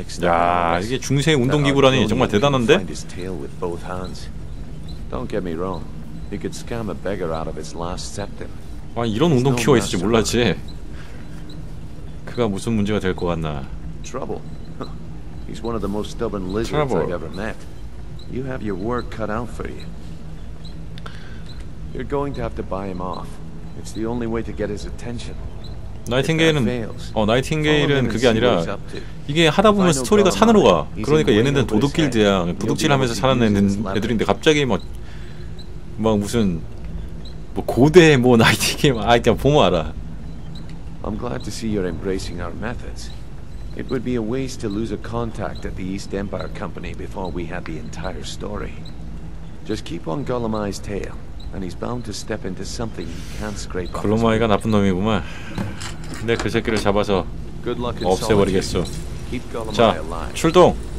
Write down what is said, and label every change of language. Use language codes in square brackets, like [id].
[ko] 야, 이게 중세의 운동기구라니 정말 대단한데? [en] Don't get me wrong. He could scam a beggar out of his last septum. [ko] 아, 이런 운동 키워 있을지 몰랐지. 그가 무슨 문제가 될 것 같나? [en] Trouble. He's one of the most stubborn lizards I've ever met. You have your work cut out for you. You're going to have to buy him off. It's the only way to get his attention. [ko] 나이팅게일은 나이팅게일은 그게 아니라 이게 하다 보면 스토리가 산으로 가. 그러니까 얘네는 도둑길드야. 도둑질하면서 사는 애들인데 갑자기 막 무슨 뭐 고대 뭐 나이팅게일 그냥 보면 알아. [en] I'm glad to see you're embracing our methods. It would be a waste to lose a contact at the East Empire Company before we had the entire story. Just keep on Gullamai's tail, and he's bound to step into something he can't scrape up. [ko] 글로마이가 나쁜 놈이구만. 내 그 새끼를 잡아서 없애버리겠어. 자, 출동.